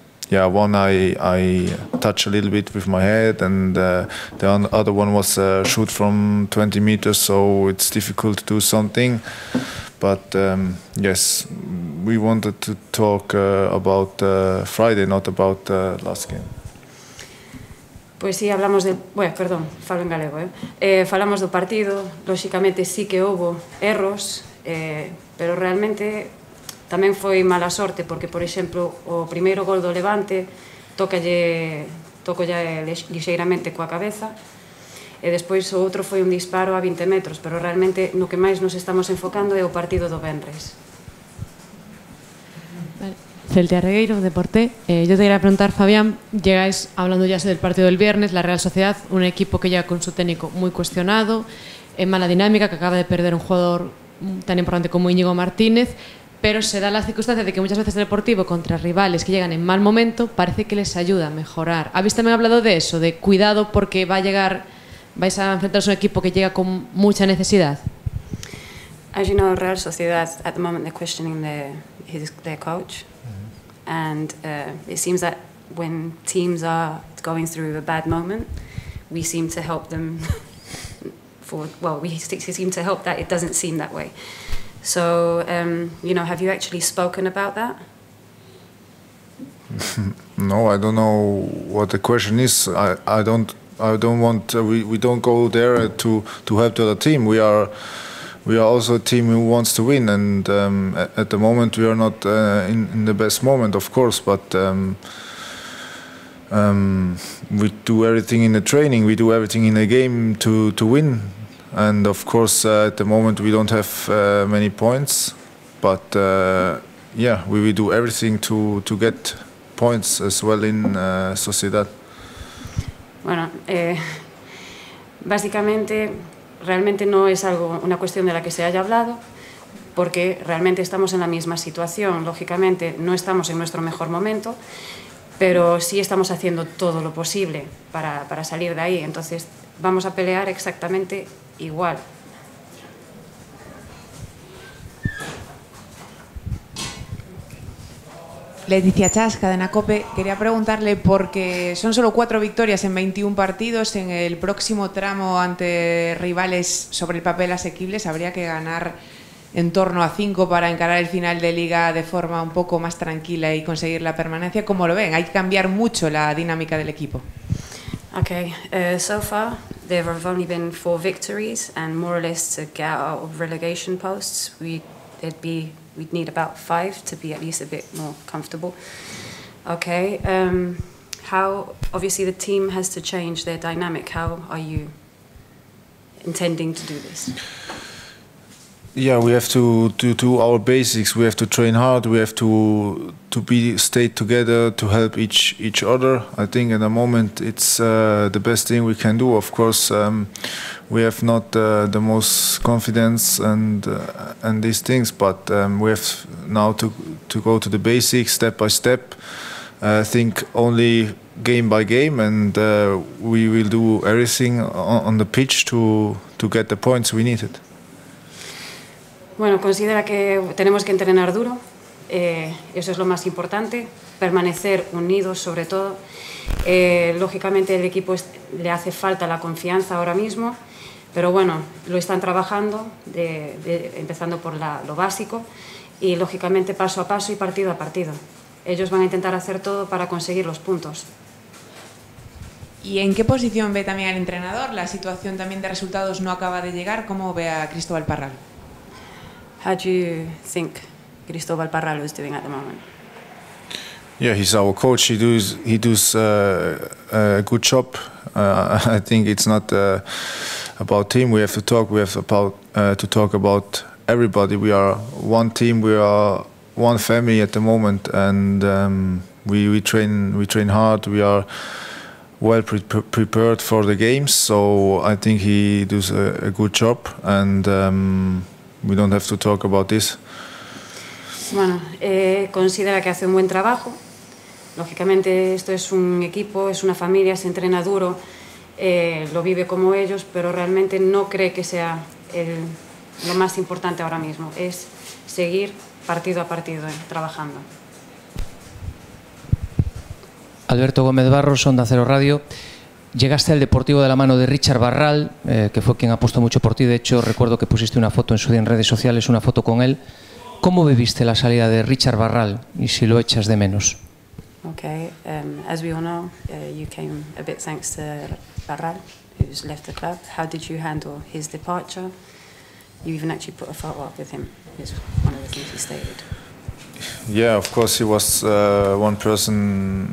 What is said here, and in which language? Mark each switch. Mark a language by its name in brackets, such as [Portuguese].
[English] Yeah, one I touch a little bit with my head, and the other one was a shoot from 20 meters, so it's difficult to do something. But yes, we wanted to talk about Friday, not about last game. [Galician] Pois si, [Spanish] hablamos de... Bueno, perdón, [Galician] falo en galego, falamos do partido, lóxicamente sí que houbo erros, pero realmente tamén foi mala sorte, porque, por exemplo, o primeiro gol do Levante toco ya lixeiramente coa cabeza, e despois o outro foi un disparo a 20 metros, pero realmente no que máis nos estamos enfocando é o partido do Benres. [Spanish] Celtia Regueiro, Deporte. Yo te iba a preguntar, Fabián, llegáis hablando ya del partido del viernes, la Real Sociedad, un equipo que llega con su técnico muy cuestionado, en mala dinámica, que acaba de perder un jugador tan importante como Íñigo Martínez, pero se da la circunstancia de que muchas veces el Deportivo, contra rivales que llegan en mal momento, parece que les ayuda a mejorar. ¿Habéis también hablado de eso, de cuidado porque va a llegar, vais a enfrentaros a un equipo que llega con mucha necesidad? [English] As you know, Real Sociedad, at the moment, they're questioning their coach. And it seems that when teams are going through a bad moment, we seem to help them we seem to help that it doesn't seem that way. So, you know, have you actually spoken about that? No, I don't know what the question is. We don't go there to help the other team. We are also a team who wants to win, and at the moment we are not in the best moment, of course, but we do everything in the training, we do everything in the game to win, and of course at the moment we don't have many points, but yeah, we will do everything to get points as well in Sociedad. [Spanish] Bueno, básicamente realmente no es algo, una cuestión de la que se haya hablado, porque realmente estamos en la misma situación. Lógicamente, no estamos en nuestro mejor momento, pero sí estamos haciendo todo lo posible para salir de ahí. Entonces, vamos a pelear exactamente igual. Leticia Chas, Cadena Cope, quería preguntarle porque son solo 4 victorias en 21 partidos, en el próximo tramo ante rivales sobre el papel asequibles, habría que ganar en torno a 5 para encarar el final de liga de forma un poco más tranquila y conseguir la permanencia. ¿Cómo lo ven? Hay que cambiar mucho la dinámica del equipo. [English] Okay, so far there have only been 4 victories and more or less to get out of relegation posts. We'd need about 5 to be at least a bit more comfortable. Okay. How, obviously the team has to change their dynamic. How are you intending to do this? Yeah, we have to do our basics. We have to train hard. We have to stay together to help each other. I think at the moment it's the best thing we can do. Of course, we have not the most confidence and these things, but we have now to go to the basics step by step. I think only game by game, and we will do everything on the pitch to get the points we needed. [Spanish] Bueno, considera que tenemos que entrenar duro, eso es lo más importante, permanecer unidos sobre todo. Lógicamente el equipo le hace falta la confianza ahora mismo, pero bueno, lo están trabajando, empezando por lo básico, y lógicamente paso a paso y partido a partido. Ellos van a intentar hacer todo para conseguir los puntos. ¿Y en qué posición ve también al entrenador? La situación también de resultados no acaba de llegar, ¿cómo ve a Cristóbal Parral? [English] How do you think Cristóbal Parral is doing at the moment? Yeah, he's our coach. He does a good job. I think it's not about team. We have to talk. We have to talk about everybody. We are one team. We are one family at the moment. And we train hard. We are well prepared for the games. So I think he does a good job. And we don't have to talk about this. [Spanish] Bueno, considera que hace un buen trabajo. Lógicamente, esto es un equipo, es una familia, se entrena duro, lo vive como ellos, pero realmente no cree que sea lo más importante ahora mismo. Es seguir partido a partido, trabajando. Alberto Gómez Barros, Onda Cero Radio. Llegaste al Deportivo de la mano de Richard Barral, que fue quien apostó mucho por ti. De hecho, recuerdo que pusiste una foto en su día en redes sociales, una foto con él. ¿Cómo viviste la salida de Richard Barral y si lo echas de menos? [English] Okay. As we all know, you came a bit thanks to Barral, who's left the club. How did you handle his departure? You even actually put a photo up with him. It's one of the things he stated. Yeah, of course, he was one person.